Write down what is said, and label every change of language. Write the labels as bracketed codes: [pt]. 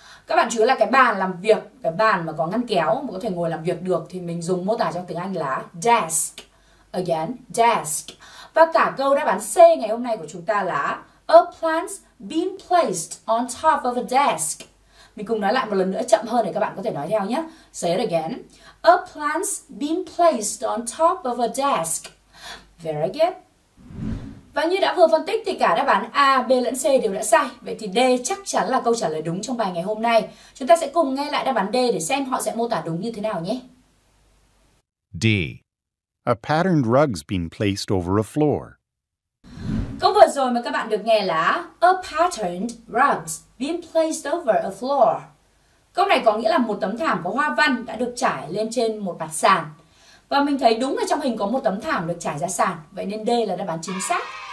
[vi] Các bạn chú ý là cái bàn làm việc, cái bàn mà có ngăn kéo, mà có thể ngồi làm việc được thì mình dùng mô tả trong tiếng Anh là desk, again, desk. Và cả câu đáp án C ngày hôm nay của chúng ta là a plant being placed on top of a desk. Mình cùng nói lại một lần nữa chậm hơn để các bạn có thể nói theo nhé. [en] Say it again. A plant being placed on top of a desk. Very good. [vi] Và như đã vừa phân tích thì cả đáp án A, B lẫn C đều đã sai. Vậy thì D chắc chắn là câu trả lời đúng trong bài ngày hôm nay. Chúng ta sẽ cùng nghe lại đáp án D để xem họ sẽ mô tả đúng như thế nào nhé. D. [en] A patterned rug's been placed over a floor. [vi] Câu vừa rồi mà các bạn được nghe là a patterned rug's been placed over a floor. Câu này có nghĩa là một tấm thảm có hoa văn đã được trải lên trên một mặt sàn. Và mình thấy đúng là trong hình có một tấm thảm được trải ra sàn. Vậy nên D là đáp án chính xác.